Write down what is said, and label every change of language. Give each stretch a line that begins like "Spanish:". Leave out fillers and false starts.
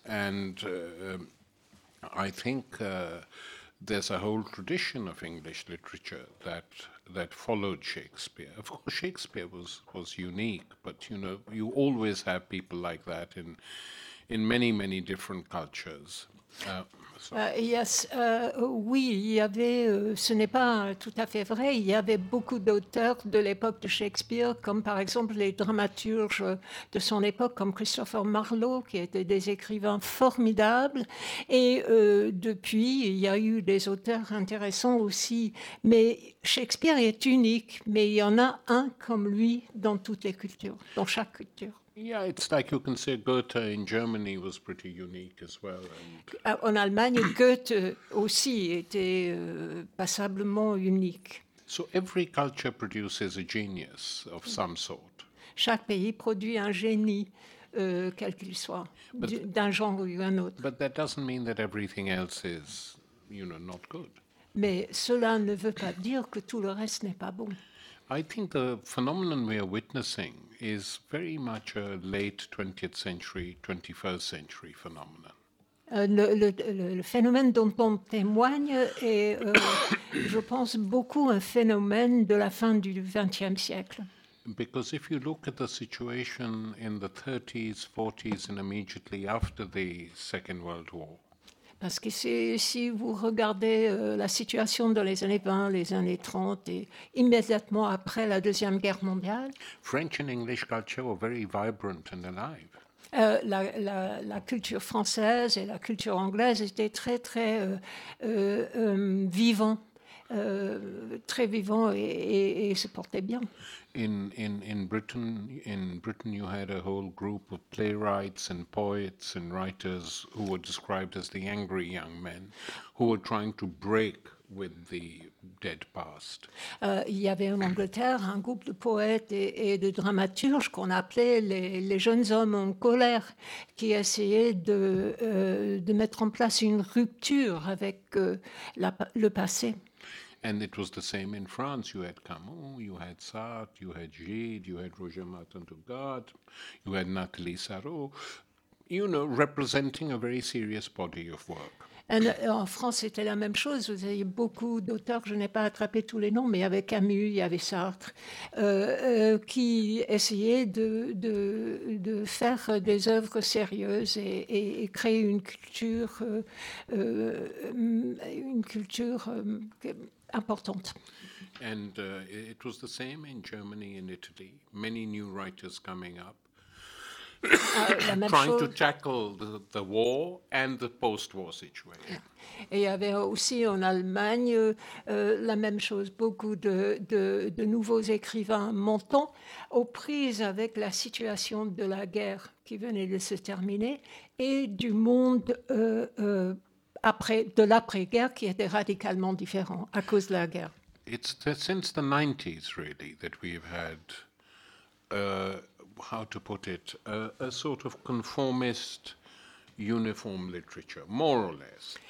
English: And I think there's a whole tradition of English literature that followed Shakespeare. Of course, Shakespeare was unique, but you know, you always have people like that in many, many different cultures.
French: Oui, il y avait, ce n'est pas tout à fait vrai, il y avait beaucoup d'auteurs de l'époque de Shakespeare, comme par exemple les dramaturges de son époque, comme Christopher Marlowe, qui étaient des écrivains formidables, et depuis, il y a eu des auteurs intéressants aussi, mais Shakespeare est unique, mais il y en a un comme lui dans toutes les cultures, dans chaque culture.
English: Yeah, it's like you can say Goethe in Germany was pretty unique as well. And
French: en Allemagne, Goethe aussi était passablement unique.
English: So every culture produces a genius of some sort.
French: Chaque pays produit un génie, quel qu'il soit, d'un genre ou un autre.
English: But that doesn't mean that everything else is, you know, not good.
French: Mais cela ne veut pas dire que tout le reste n'est pas bon.
English: I think the phenomenon we are witnessing is very much a late 20th century, 21st century phenomenon.
French: Le phénomène dont on témoigne est, je pense, beaucoup un phénomène de la fin du XXe siècle.
English: Because if you look at the situation in the 30s, 40s, and immediately after the Second World War,
French: parce que si vous regardez la situation dans les années 20, les années 30 et immédiatement après la Deuxième Guerre mondiale,
English: French and English culture were very vibrant and alive.
French: La culture française et la culture anglaise étaient très, très vivants, très vivants et se portaient bien.
English: In Britain, you had a whole group of playwrights and poets and writers who were described as the angry young men who were trying to break with the dead past.
French: Il y avait en Angleterre un groupe de poètes et de dramaturges qu'on appelait les jeunes hommes en colère qui essayaient de mettre en place une rupture avec le passé.
English: And it was the same in France. You had Camus, you had Sartre, you had Gide, you had Roger Martin du Gard, you had Nathalie Sarraut, you know, representing a very serious body of work.
French: And en France, c'était la même chose. Vous avez beaucoup d'auteurs, je n'ai pas attrapé tous les noms, mais il y avait Camus, il y avait Sartre, qui essayaient de faire des œuvres sérieuses et créer une culture importante.
English: And it was the same in Germany and Italy. Many new writers coming up. trying
French: chose.
English: To tackle the war and the post-war situation.
French: Et il y avait aussi en Allemagne la même chose, beaucoup de nouveaux écrivains montant aux prises avec la situation de la guerre qui venait de se terminer et du monde après, de l'après-guerre qui était radicalement différent à cause de la guerre.
English: It's since the 90s really that we've had how to put it, a sort of conformist uniform literature, more or less.